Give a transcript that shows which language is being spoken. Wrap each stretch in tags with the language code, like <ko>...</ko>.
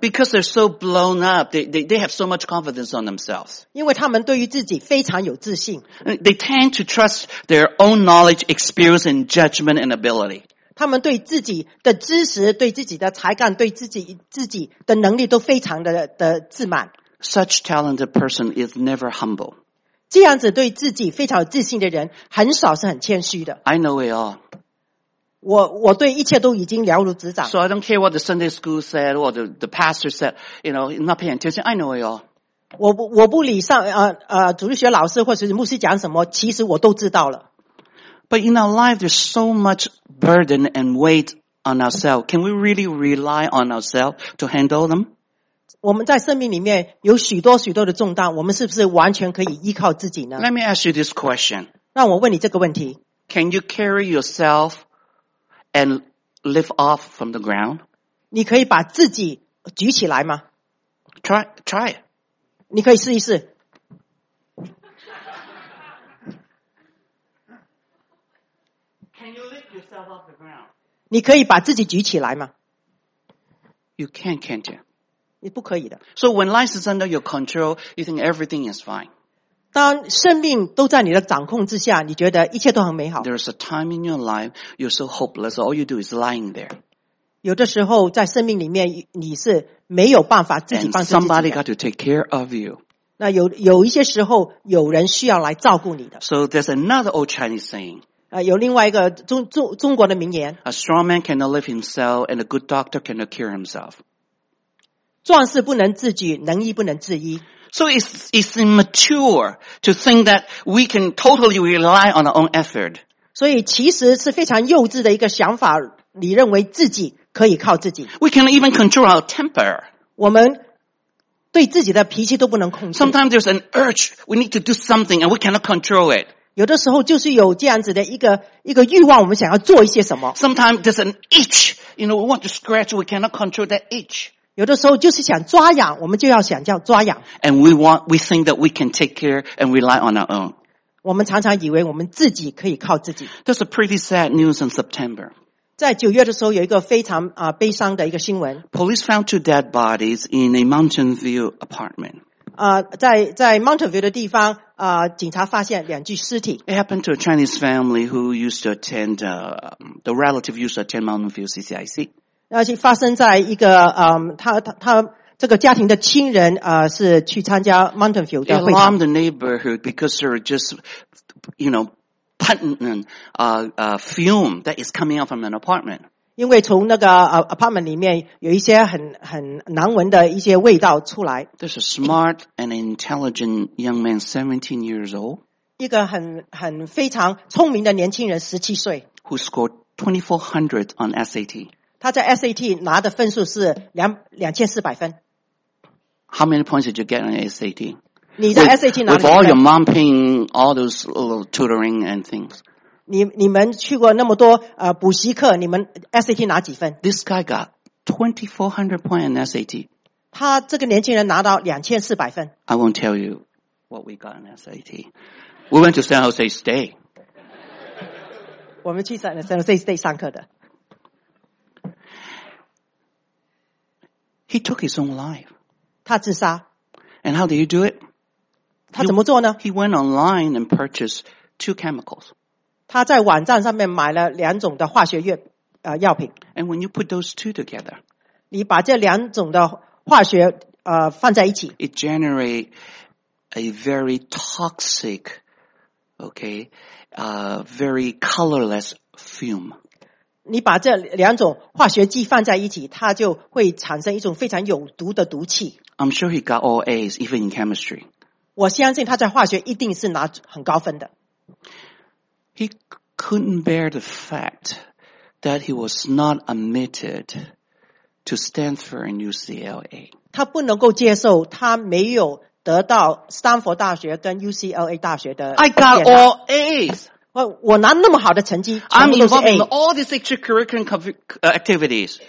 <en>Because they're so blown up, they have so much confidence on themselves.</en> <zh>因为他们对于自己非常有自信。</zh> <en>They tend to trust their own knowledge, experience, and judgment and ability.</en> <zh>他们对自己的知识、对自己的才干、对自己的能力都非常的自满。</zh> <en>Such talented person is never humble.</en> <zh>这样子对自己非常有自信的人，很少是很谦虚的。</zh> <en>I know it all.</en> <zh>我对一切都已经了如指掌。</zh> <en>So I don't care what the Sunday school said or the pastor said, you know, not paying attention. I know it all.</en> <zh>我不理上主日学老师或是牧师讲什么，其实我都知道了。</zh> <en>But in our life, there's so much burden and weight on ourselves. Can we really rely on ourselves to handle them?</en> <zh>我们在生命里面有许多许多的重担，我们是不是完全可以依靠自己呢</zh> <en>？Let me ask you this question.</en> <zh>让我问你这个问题。</zh> <en>Can you carry yourself? And lift off from the ground.</en> <zh>你可以把自己举起来吗</zh> <en>？Try.</en> <zh>你可以试一试。</zh> <en>Can you lift yourself off the ground?</en> <zh>你可以把自己举起来吗</zh> <en>？You can't, can't you?</en> <zh>你不可以的。</zh> <en>So when life is under your control, you think everything is fine.</en> <zh>当生命都在你的掌控之下，你觉得一切都很美好。</zh> <en>There is a time in your life you're so hopeless, all you do is lying there.</en> <zh>有的时候在生命里面，你是没有办法自己帮助自己的。</zh> <en>And somebody got to take care of you.</en> <zh>那有一些时候，有人需要来照顾你的。</zh> <en>So there's another old Chinese saying.</en> <zh>有另外一个中国的名言。</zh> <en>A strong man cannot lift himself, and a good doctor cannot cure himself.</en> <zh>壮士不能自举，能医不能自医。</zh> <en>So it's immature to think that we can totally rely on our own effort.</en> <zh>所以其实是非常幼稚的一个想法，你认为自己可以靠自己。</zh> <en>We can even control our temper.</en> <zh>我们对自己的脾气都不能控制。</zh> <en>Sometimes there's an urge we need to do something and we cannot control it.</en> <zh>有的时候就是有这样子的一个欲望，我们想要做一些什么。</zh> <en>Sometimes there's an itch, you know, we want to scratch, we cannot control that itch.</en> <zh>有的时候就是想抓痒，我们就要想叫抓痒。</zh> <en>And we think that we can take care and rely on our own.</en> <zh>我们常常以为我们自己可以靠自己。</zh> <en>That's a pretty sad news in September.</en> <zh>在九月的时候，有一个非常悲伤的一个新闻。</zh> <en>Police found two dead bodies in a Mountain View apartment.</en> <zh>在 Mountain View 的地方。警察发现两具尸体。</zh> <en>It happened to a Chinese family who used to attend, the relative used to attend Mountain View CCIC.</en> <zh>而且发生在一个他这个家庭的亲人是去参加 Mountain View 的会堂。</zh> <en>It alarmed the neighborhood because they're just, you know, potent, fume that is coming out from an apartment.</en> <zh>因为从那个apartment 里面有一些很难闻的一些味道出来。</zh> <en>This is a smart and intelligent young man, 17 years old.</en> <zh>一个很非常聪明的年轻人17岁。</zh> <en>Who scored 2400 on SAT.</en> <zh>他在 SAT 拿的分数是2400分。</zh> <en>How many points did you get on SAT?</en> <zh>你在 SAT 拿的分数。</zh> <en>With all your mom paying all those little tutoring and things.</en> <zh>你们去过那么多补习课，你们 SAT 拿几分</zh> <en>？This guy got 2400 points in SAT.</en> <zh>他这个年轻人拿到2400分。</zh> <en>I won't tell you what we got in SAT. We went to San Jose State.</en> <zh>我们去San Jose State 上课的。</zh> <en>He took his own life.</en> <zh>他自杀。</zh> <en>And how did he do it?</en> <zh>他怎么做呢</zh> <en>？He went online and purchased two chemicals.</en> <zh>他在网站上面买了两种的化学药品。</zh> <en>And when you put those two together,</en> <zh>你把这两种的化学放在一起。</zh> <en>It generates a very toxic, okay, very colorless fume.</en> <zh>你把这两种化学剂放在一起，它就会产生一种非常有毒的毒气。</zh> <en>I'm sure he got all A's, even in chemistry.</en> <zh>我相信他在化学一定是拿很高分的。</zh> <en>He couldn't bear the fact that he was not admitted to Stanford and UCLA.</en> <zh>他不能够接受他没有得到斯坦福大学跟 UCLA 大学的。</zh> <en>I got all A's.</en> <zh>我拿那么好的成绩。</zh> <en>I'm involved in all these extracurricular activities.</en>